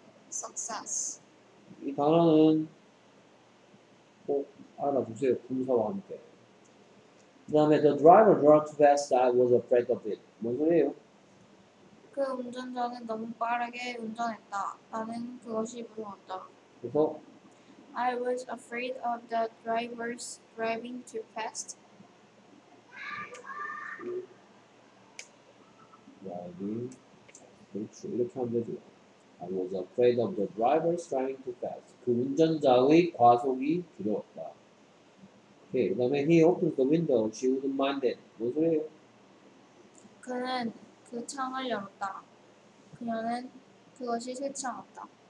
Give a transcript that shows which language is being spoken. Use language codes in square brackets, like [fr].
[en] success [ko] 이 단어는 꼭 알아두세요, 분사와 함께. 그 다음에 [en] the driver drove too fast, I was afraid of it. [ko] 뭔 소리예요? 그 운전자는 너무 빠르게 운전했다. 나는 그것이 무서웠다. 그래서? [en] I was afraid of the driver's driving too fast. [ko] 이렇게 하면 되죠. [en] I was afraid of the driver's driving too fast. [ko] 그 운전자의 과속이 두려웠다. 오케이, 그 다음에 [en] he opened the window. She wouldn't mind it. [ko] 뭔 소리예요? 그는 그 창을 열었다. 그녀는 그것이 싫지 않았다.